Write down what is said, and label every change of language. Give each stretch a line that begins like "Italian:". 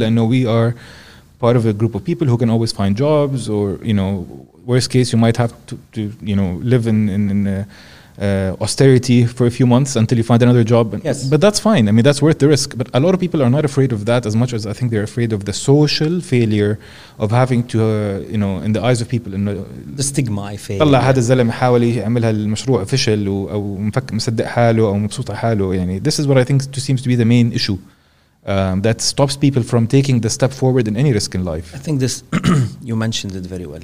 English: I know we are part of a group of people who can always find jobs, or you know, worst case, you might have to you know live in austerity for a few months until you find another job. Yes, but that's fine. I mean, that's worth the risk. But a lot of people are not afraid of that as much as I think they're afraid of the social failure of having to you know in the eyes of people. The stigma.
Arabic: طلع هذا الزلم حاول يعمل هالمشروع official أو مفكر مصدق حاله أو مبسوط حاله.
English: يعني this is what I think seems to be the main issue that stops people from taking the step forward in any risk in life. I think this you mentioned it very well.